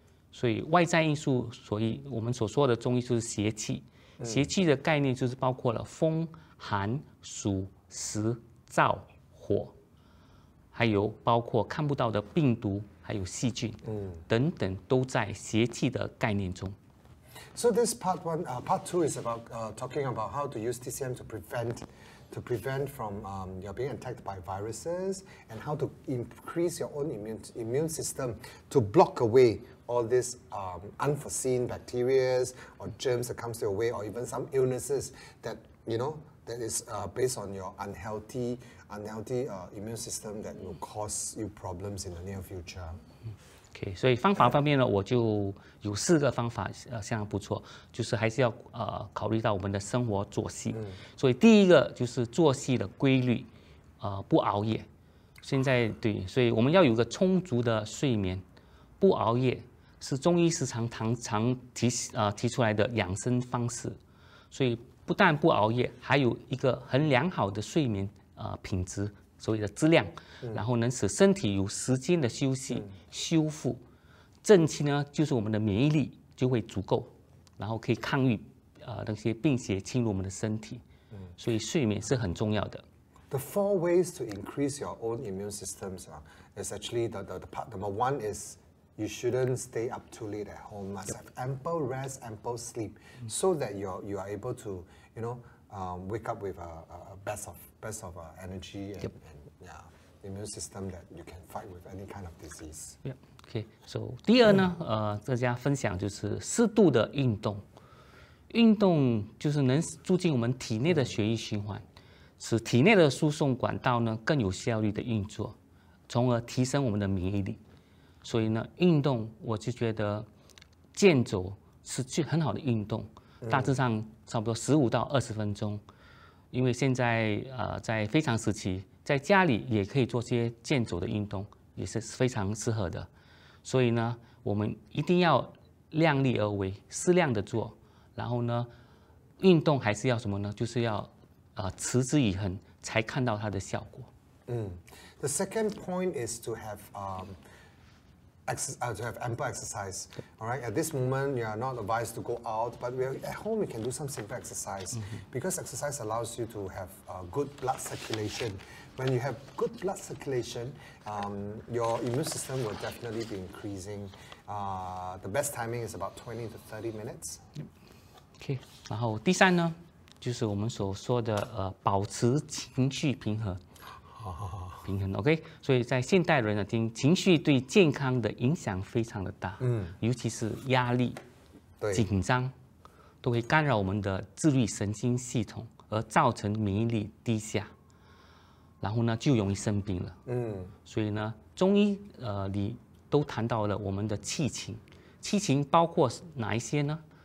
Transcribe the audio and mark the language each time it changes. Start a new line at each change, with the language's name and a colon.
Chinese: 所以外在因素，所以我们所说的中医就是邪气，邪气的概念就是包括了风、寒、暑、湿、燥、火，还有包括看不到的病毒还有细菌等等，都在邪气的概念中。
English: So this part one, part two is about talking about how to use TCM to prevent from you're being attacked by viruses and how to increase your own immune system to block away all these unforeseen bacteria or germs that comes your way, or even some illnesses that you know that is based on your unhealthy immune system that will cause you problems in the near future.
Chinese: Okay, 所以方法方面呢，我就有四个方法，相当不错，就是还是要考虑到我们的生活作息。所以第一个就是作息的规律，不熬夜。现在对，所以我们要有个充足的睡眠，不熬夜是中医时常提出来的养生方式。所以不但不熬夜，还有一个很良好的睡眠品质，所谓的质量，然后能使身体有时间的休息修复。正气呢，就是我们的免疫力就会足够，然后可以抗御那些病邪侵入我们的身体。所以睡眠是很重要的。
English: The four ways to increase your own immune systems is actually the part number one is. You shouldn't stay up too late at home. Must have ample rest, ample sleep, so that you are able to, you know, wake up with a best of energy and immune system that you can fight with any kind of disease. Yeah. Okay.
Chinese: So, 第二呢，大家分享就是适度的运动。运动就是能促进我们体内的血液循环，使体内的输送管道呢更有效率的运作，从而提升我们的免疫力。所以呢，运动我就觉得健走是最很好的运动，大致上差不多15到20分钟。因为现在在非常时期，在家里也可以做些健走的运动，也是非常适合的。所以呢，我们一定要量力而为，适量的做。然后呢，运动还是要什么呢？就是要持之以恒，才看到它的效果。
English: The second point is to have to have ample exercise. All right. At this moment, you are not advised to go out, but at home, you can do some simple exercise because exercise allows you to have good blood circulation. When you have good blood circulation, your immune system will definitely be increasing. The best timing is about 20 to 30 minutes. Okay.
Chinese: 然后第三呢，就是我们所说的保持情绪平衡。平衡 ，OK， 所以在现代人的情绪对健康的影响非常的大，尤其是压力、紧张，都会干扰我们的自律神经系统，而造成免疫力低下，然后呢就容易生病了，所以呢，中医里都谈到了我们的气情，气情包括哪一些呢？